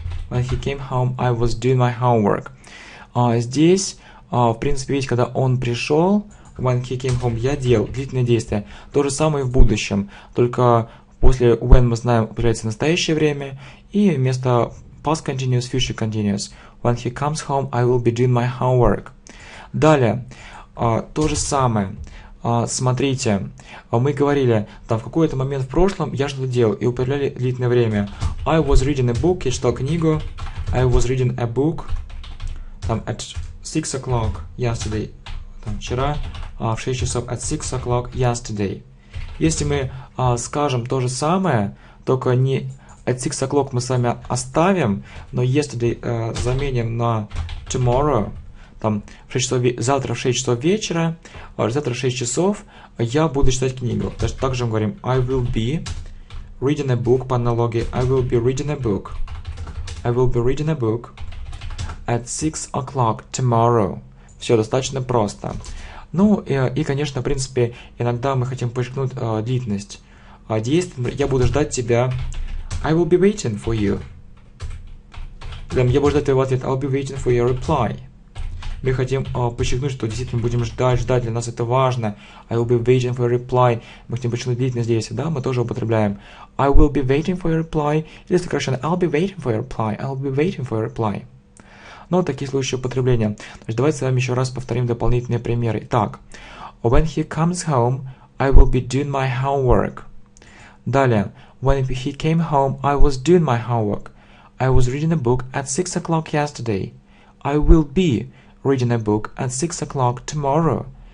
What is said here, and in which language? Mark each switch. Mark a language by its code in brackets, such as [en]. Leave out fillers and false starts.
[en] When he came home, I was doing my homework. [ru] Здесь, в принципе, видите, когда он пришел, [en] when he came home, [ru] я делал длительное действие. То же самое и в будущем, только после when мы знаем, появляется настоящее время, и вместо past continuous, future continuous. [en] When he comes home, I will be doing my homework. [ru] Далее, то же самое. Смотрите, мы говорили, там, в какой-то момент в прошлом я что-то делал, и употребляли длительное время. [en] I was reading a book, [ru] я читал книгу. [en] I was reading a book. [ru] Там [en] at 6 o'clock yesterday, [ru] там вчера, в 6 часов, [en] at 6 o'clock yesterday. [ru] Если мы скажем то же самое, только не [en] at 6 o'clock [ru] мы с вами оставим, но yesterday заменим на tomorrow, там в 6 часов, завтра в 6 часов вечера, завтра в 6 часов я буду читать книгу. То есть также мы говорим [en] I will be reading a book, [ru] по аналогии [en] I will be reading a book. I will be reading a book. At 6 o'clock tomorrow. [ru] Все достаточно просто. Ну и конечно, в принципе, иногда мы хотим подчеркнуть длительность действий. Я буду ждать тебя. [en] I will be waiting for you. [ru] Я буду ждать твоего ответа. [en] I'll be waiting for your reply. [ru] мы хотим подчеркнуть, что действительно будем ждать, ждать, для нас это важно. [en] I will be waiting for your reply. [ru] Мы хотим подчеркнуть длительность действия, да, мы тоже употребляем. [en] I will be waiting for your reply. [ru] Или сокращенно, [en] I'll be waiting for your reply. I'll be waiting for your reply. [ru] Но такие случаи употребления. Значит, давайте с вами еще раз повторим дополнительные примеры. Итак, [en] when he comes home, I will be doing my homework. [ru] Далее, [en] when he came home, I was doing my homework. I was reading a book at 6 o'clock yesterday. I will be reading a book at 6 o'clock tomorrow.